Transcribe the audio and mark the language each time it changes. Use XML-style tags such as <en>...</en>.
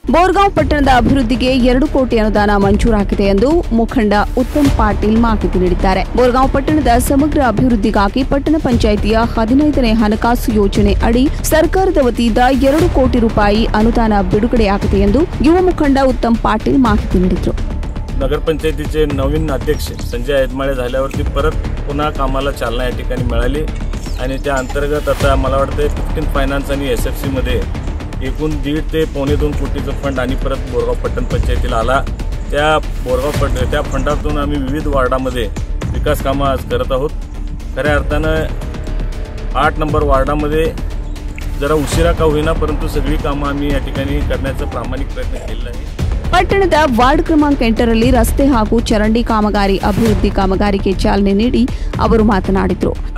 <kn>ಬೋರ್ಗಾಂವ್ ಪಟ್ಟಣದ ಅಭಿವೃದ್ಧಿಗೆ 2 ಕೋಟಿ ಅನುದಾನ ಮಂಜೂರಾಗಿದೆ ಎಂದು ಮುಖಂಡ ಉತ್ತಮ್ ಪಾಟೀಲ್ ಮಾಹಿತಿ ನೀಡಿದ್ದಾರೆ. ಬೋರ್ಗಾಂವ್ ಪಟ್ಟಣದ ಸಮಗ್ರ ಅಭಿವೃದ್ಧಿಗಾಗಿ ಪಟ್ಟಣ ಪಂಚಾಯಿತಿಯ 15ನೇ ಹಣಕಾಸು ಯೋಜನೆಯಡಿ ಸರ್ಕಾರದ ವತಿಯಿಂದ 2 ಕೋಟಿ ರೂಪಾಯಿ ಅನುದಾನ ಬಿಡುಗಡೆಯಾಗಿದೆ ಎಂದು ಯುವ ಮುಖಂಡ ಉತ್ತಮ್ ಪಾಟೀಲ್ ಮಾಹಿತಿ ನೀಡಿದರು.</kn> <mr>नगर पंचायती नवीन अध्यक्ष संजय आदमाळे झाल्यावरती परत पुन्हा कामाला चालना या ठिकाणी मिळाली आणि त्या अंतर्गत आता मला वाटतं 15 फायनान्स आणि एसएफसी मध्ये एकूण 1.5 ते 2 कोटीचं फंड आणि परत बोरगाव पट्टण पंचायतीला आला. त्या बोरगाव पट्टण त्या फंडातून आम्ही विविध वार्डामध्ये विकास कामं आज करत आहोत. खऱ्या अर्थाने 8 नंबर वार्डामध्ये जरा उशिरा का होईना परंतु सगळी कामं आम्ही या ठिकाणी करण्याचं प्रामाणिक प्रयत्न केलेला आहे.</mr> <kn>ಪಟ್ಟಣದ ವಾರ್ಡ್ ಕ್ರಮಾಂಕ 8ರಲ್ಲಿ ರಸ್ತೆ ಹಾಗೂ ಚರಂಡಿ ಕಾಮಗಾರಿ ಅಭಿವೃದ್ಧಿ ಕಾಮಗಾರಿಗೆ ಚಾಲನೆ ನೀಡಿ ಅವರು ಮಾತನಾಡಿದರು.</kn>